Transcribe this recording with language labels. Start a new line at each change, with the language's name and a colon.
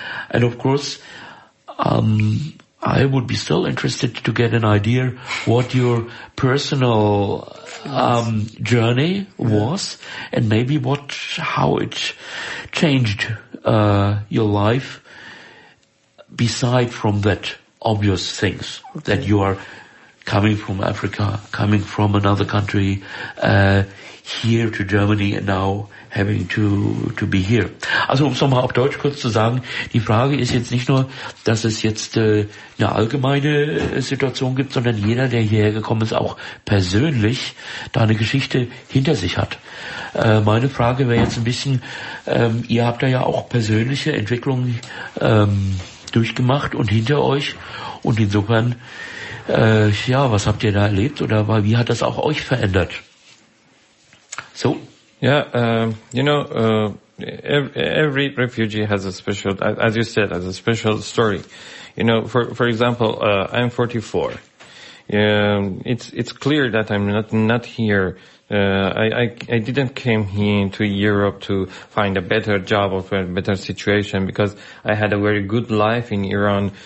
English: And of course, I would be still interested to get an idea what your personal journey was, and maybe what how it changed your life, beside from that obvious things that you are coming from Africa, coming from another country, here to Germany and now having to be here.
German: Also um es nochmal auf Deutsch kurz zu sagen, die Frage ist jetzt nicht nur, dass es jetzt eine allgemeine Situation gibt, sondern jeder, der hierher gekommen ist, auch persönlich da eine Geschichte hinter sich hat. Meine Frage wäre jetzt ein bisschen, ihr habt da ja auch persönliche Entwicklungen durchgemacht und hinter euch und insofern ja, was habt ihr da erlebt oder wie hat das auch euch verändert?
English: So? Yeah, you know, every refugee has a special, as you said, has a special story. You know, for example, I'm 44. It's clear that I'm not here. I didn't came here to Europe to find a better job or for a better situation because I had a very good life in Iran.